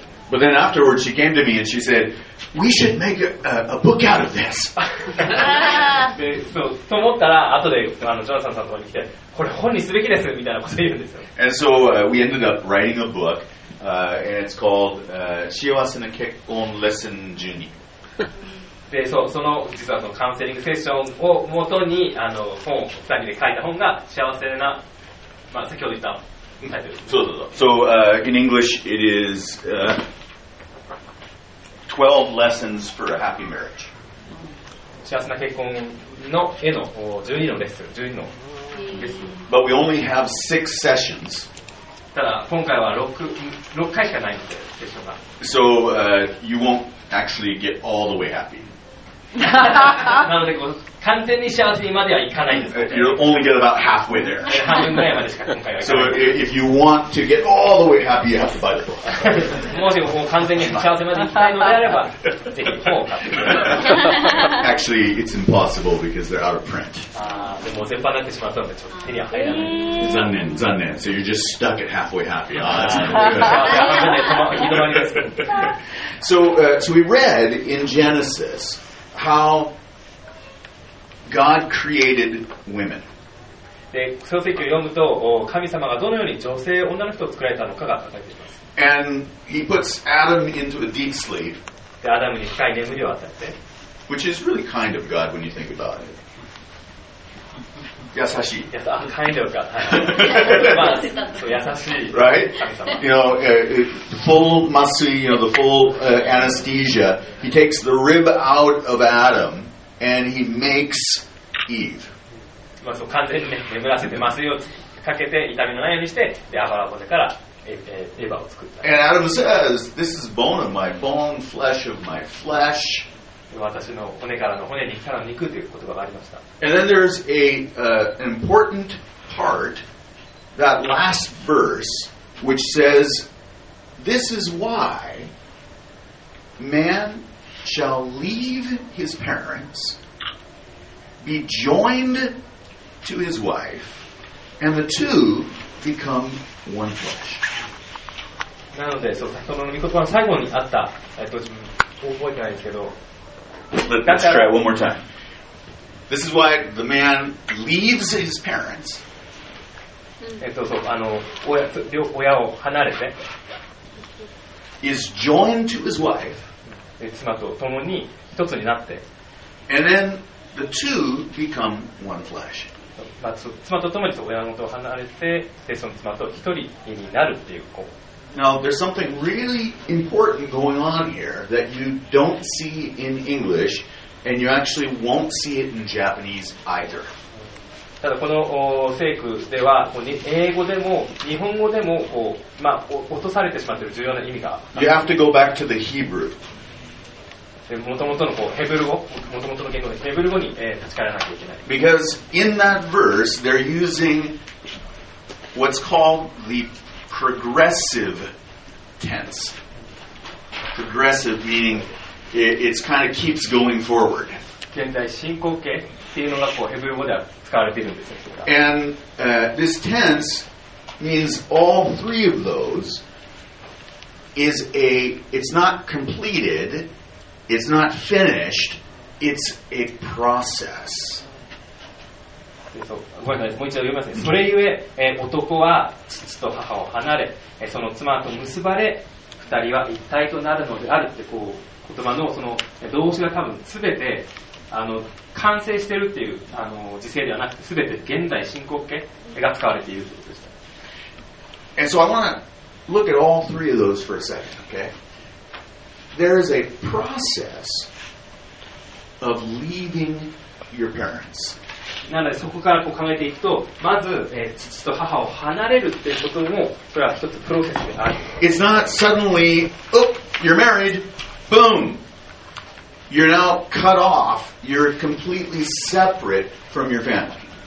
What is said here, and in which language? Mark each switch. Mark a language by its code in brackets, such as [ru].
[en] But then afterwards, she came to me and she said, we should make a book out of this. And so we ended up writing a book, and it's called Shiwase na Kekkon Lesson 12. [ja] でその実はそのカウンセリングセッションをもとに本を2人で書いた本が幸せな、まあ、先ほど言ったタイトルです。そうそうそう。 [en] So, in English, it is 12 lessons for a happy marriage. [ja] 幸せな結婚の絵の12のレッスン、12のレッスン。 [en] But we only have 6 sessions. [ja] ただ今回は 6回しかないのでセッションが。 [en] So, you won't actually get all the way happy. [ja] なのでこう完全に幸せにまではいかないんですよ。 [en] You'll only get about halfway there. [ja] 半分ぐらいまでしか今回はいかない。 [en] So, if you want to get all the way happy, you have to buy the book. [ja] もしもう完全に幸せまでいきたいのであれば、ぜひ本を買ってください。 [en] Actually, it's impossible because they're out of print. [ja] あでも全般になってしまったので、ちょっと手には入らない。残念、残念。 [en] So, you're just stuck at halfway happy. Ah, that's not good. [ja] 半分で行き止まりです。 [en] So, we read in Genesis,How God created women. [ja] で、創世記を読むと、神様がどのように女性、女の人を作られたのかが書かれています。 [en] And he puts Adam into a deep sleep. [ja] でアダムに深い眠りを与えて。 [en] Which is really kind of God when you think about it. [ja] 優しい。 [en] Yes, I'm kind of God. [ja] まあ、そう、優しい。 [en] Right? You know, full [ja] 麻酔, [en] you know, the full anesthesia, he takes the rib out of Adam and he makes Eve. [ja] まあ、そう、完全に、ね、眠らせて麻酔をかけて痛みのないようにして、で、アバラ骨から。 [en] And Adam says, "This is bone of my bone, flesh of my flesh." [ja] 私の骨からの骨に肉からの肉という言葉がありました。 [en] And then there's a important part, that last verse, which says, "This is why man shall leave his parents, be joined to his wife, and the two become one flesh." [ja] なので、そう、先ほどの御言葉の最後にあった、自分を覚えてないですけど、 [en] Let's try it one more time. This is why the man leaves his parents. [ja] そう、あの、親を離れて、 [en] is joined to his wife. [ja] 妻と共に一つになって、 [en] and then the two become one flesh. [ja] まあ、妻と共に親元を離れて、でその妻と一人になるっていう。 [en] Now, there's something really important going on here that you don't see in English, and you actually won't see it in Japanese either. [ja] ただこの聖句では、英語でも日本語でも、まあ、落とされてしまっている重要な意味が。 [en] You have to go back to the Hebrew. [ja] 元々のこうヘブル語、元々の言語でヘブル語に立ち返らなきゃいけない。 [en] Because in that verse they're using what's called the progressive tense. Progressive meaning it's kind of keeps going forward. [ja] 現在進行形っていうのがこうヘブル語では使われているんですよ。 [en] And this tense means all three of those is it's not completed. It's not finished. It's a process. [ja] そう、ごめんなさい。もう一度読みますね。それゆえ、男は父と母を離れ、その妻と結ばれ、二人は一体となるのであるってこう言葉のその動詞が多分すべてあの完成してるっていうあの時制ではなくて、すべて現在進行形が使われているということでした。 [en] And so I want to look at all three of those for a second, okay? There is a process of leaving your parents. [ja] なのでそこからこう考えていくと、まず、父と母を離れるっていうことも、それは一つプロセスである。 [en] It's not suddenly, oh, you're married, boom. You're now cut off. You're completely separate from your family.